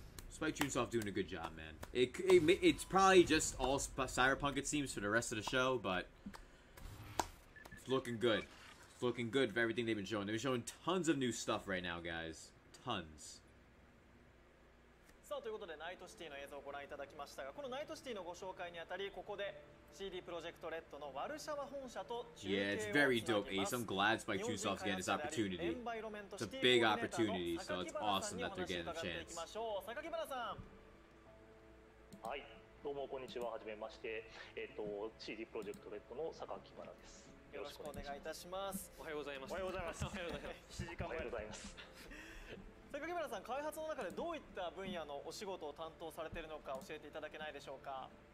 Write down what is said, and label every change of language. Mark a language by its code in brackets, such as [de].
[en] Spike Chunsoft doing a good job, man. It's probably just all Cyberpunk, it seems, for the rest of the show, but it's looking good. Looking good for everything they've been showing. They've been showing tons of new stuff right now, guys. Tons. [ja] さあということでナイトシティの映像をご覧いただきましたが、このナイトシティのご紹介にあたり、ここで CD プロジェクトレッドのワルシャワ本社と中継をつなぎます。 [en] Yeah, it's very dope, Ace. I'm glad Spike Chunsoft's getting this opportunity. It's a big opportunity, so it's awesome that they're getting a chance. [ja] 榊原さん。はい、どうもこんにちは。はじめまして。CD プロジェクトレッドの榊原です。よろしくお願いいたします。おはようございます。おはようございます。おはようございます。 7時間前。おはようございます。榊原さん、開発の中でどういった分野のお仕事を担当されているのか教えていただけないでしょうか。